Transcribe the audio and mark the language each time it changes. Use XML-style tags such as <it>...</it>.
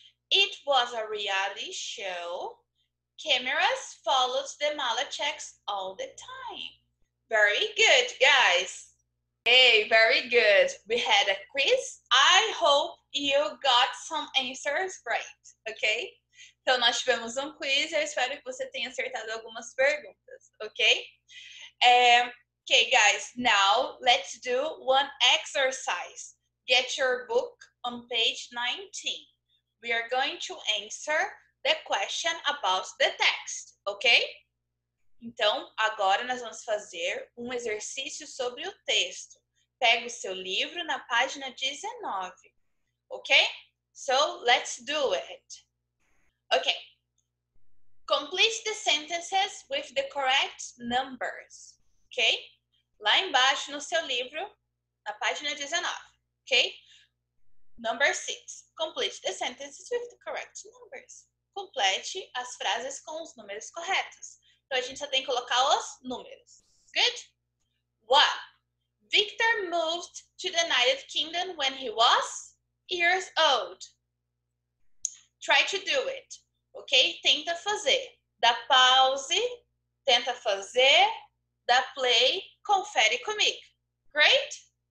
<en>It was a reality show. Cameras followed the Malacheks all the time. Very good, guys. Hey, very good. We had a quiz. I hope you got some answers right, okay?</en> <pt>Então, nós tivemos um quiz. Eu espero que você tenha acertado algumas perguntas, okay?</pt> <en>Okay, guys, now let's do one exercise. Get your book on page 19. We are going to answer the question about the text, okay?</en> <pt>Então, agora nós vamos fazer um exercício sobre o texto. Pega o seu livro na página 19, okay?</pt> <en>So, let's do it. Okay. Complete the sentences with the correct numbers, okay?</en> <pt>Lá embaixo no seu livro, na página 19, okay?</pt> <en>Number 6, complete the sentences with the correct numbers.</en> <pt>Complete as frases com os números corretos. Então, a gente só tem que colocar os números.</pt> <en>Good? 1. Victor moved to the United Kingdom when he was years old. Try to do it, okay?</en> <pt>Tenta fazer. Dá pause, tenta fazer. Da play, confere comigo. Great?</pt>